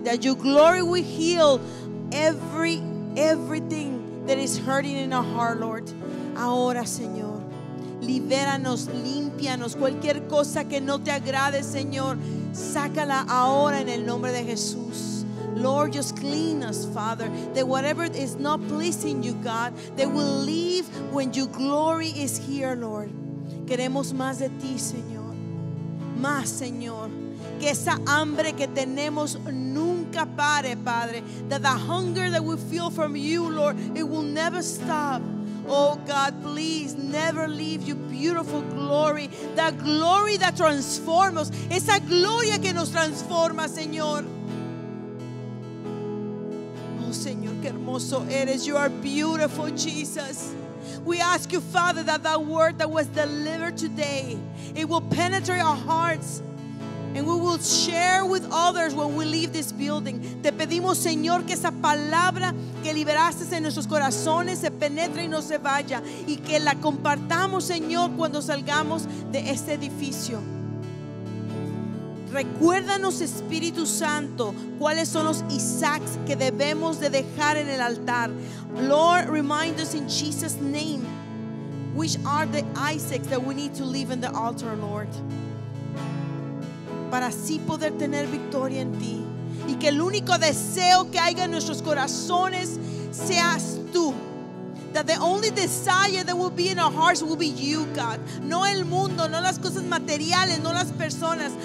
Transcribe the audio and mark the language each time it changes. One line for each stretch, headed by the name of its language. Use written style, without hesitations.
English: That your glory will heal everything that is hurting in our heart, Lord.
Spanish: Ahora, Señor, libéranos, límpianos. Cualquier cosa que no te agrade, Señor, sácala ahora en el nombre de Jesús.
English: Lord, just clean us, Father. That whatever is not pleasing you, God, that will leave when your glory is here, Lord.
Spanish: Queremos más de ti, Señor. Más, Señor. Que esa hambre que tenemos nunca pare, Padre.
English: That the hunger that we feel from you, Lord, it will never stop. Oh, God, please never leave your beautiful glory. That glory that transforms.
Spanish: Esa gloria que nos transforma, Señor. Oh, Señor, qué hermoso eres.
English: You are beautiful, Jesus. We ask you, Father, that that word that was delivered today, it will penetrate our hearts and we will share with others when we leave this building.
Spanish: Te pedimos, Señor, que esa palabra que liberaste en nuestros corazones se penetre y no se vaya, y que la compartamos, Señor, cuando salgamos de este edificio. Recuérdanos, Espíritu Santo, cuáles son los Isaacs que debemos de dejar en el altar.
English: Lord, remind us in Jesus' name, which are the Isaacs that we need to leave in the altar, Lord.
Spanish: Para así poder tener victoria en ti. Y que el único deseo que haya en nuestros corazones seas tú.
English: That the only desire that will be in our hearts will be you, God.
Spanish: No el mundo, no las cosas materiales, no las personas.